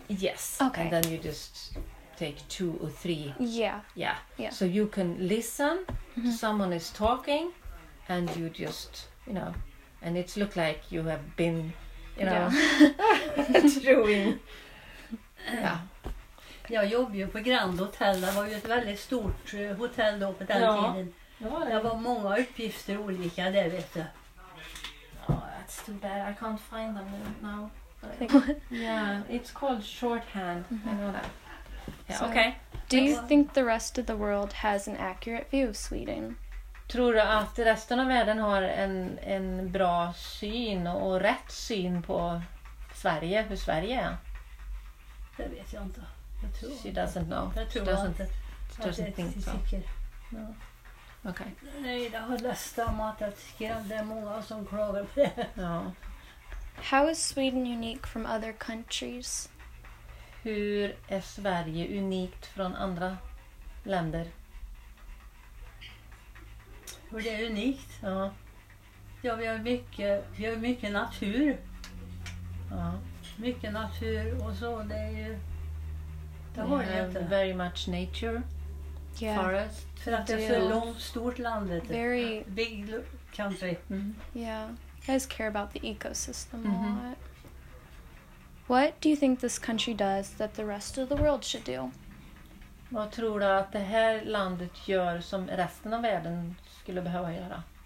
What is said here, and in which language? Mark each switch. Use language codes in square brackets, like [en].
[en] Yes. Okay. And then you just take two or three. Yeah. Yeah. Yeah. So you can listen. Mm-hmm. Someone is talking, and you just, you know, and it look like you have been, you know, doing. Yeah. [sv] Jag jobbade ju på Grand Hotel. Det var ju ett väldigt stort hotell då på den tiden. Ja, det var det. Det var många uppgifter olika, det vet du. [en] It's too bad. I can't find them now. Yeah, it's called shorthand. Mm-hmm. I know that. Yeah, so, okay. Do you think the rest of the world has an accurate view of Sweden? [sv] Tror du att resten av världen har en bra syn och rätt syn på Sverige, hur Sverige är? Det vet jag inte. Jag tror [en] she doesn't know. [sv] Jag tror [en] She doesn't think so. No. Okay. [sv] Nej, det har läst om att jag tycker att det är många som klagar på det. Ja. [en] How is Sweden unique from other countries? [sv] Hur är Sverige unikt från andra länder? Hur det är unikt? Ja. Ja, vi har mycket natur. Ja. Mycket natur och så, det är ju... Det har ju inte. [en] Very much nature. Yeah. Forest. [sv] För att det är så långt, stort landet. [en] Very... Big country. Mm-hmm. Yeah. You guys care about the ecosystem a mm-hmm. lot. What do you think this country does that the rest of the world should do? [sv] Vad tror du att det här landet gör som resten av världen skulle behöva göra?